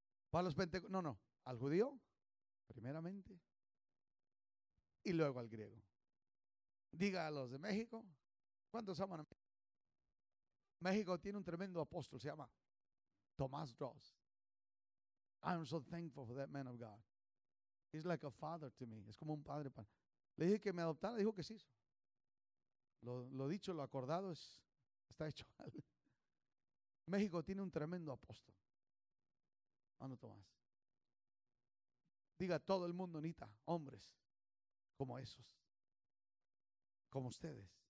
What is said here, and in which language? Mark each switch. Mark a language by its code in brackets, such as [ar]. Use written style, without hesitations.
[es] Para los pentecostales, no, al judío, primeramente, y luego al griego. Diga a los de México, ¿cuántos aman a México? México tiene un tremendo apóstol, se llama Tomás Dross. [en] I am so thankful for that man of God. He's like a father to me. [es] Es como un padre. Le dije que me adoptara, dijo que sí. Lo dicho, lo acordado está hecho. México tiene un tremendo apóstol. Mano Tomás. Diga, todo el mundo necesita hombres como esos. Como ustedes.